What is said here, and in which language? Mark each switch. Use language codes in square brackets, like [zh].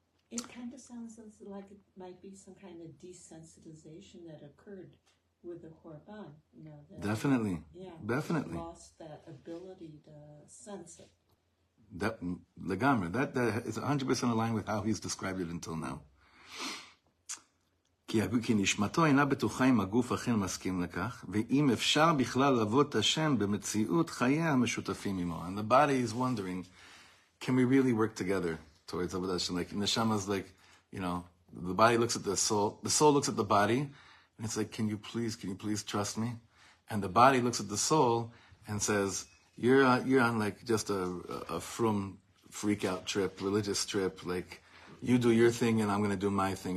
[en] It kind of sounds like it might be some kind of desensitization that occurred with the korban. You know, definitely. Yeah. Definitely. Lost that ability to sense it. That legamer. That is 100% aligned with how he's described it until now. [he] כי נשמתו אינה בטוחה אם הגוף אכן מסכים לכך, ואם אפשר בכלל לבוא את השם במציאות חיי המשותפים עמו. [en] And the body is wondering, can we really work together towards Avodah Hashem? Like, Neshama is like, you know, the body looks at the soul looks at the body, and it's like, can you please trust me? And the body looks at the soul and says, you're on like just a frum freak out trip, religious trip, like, you do your thing and I'm going to do my thing.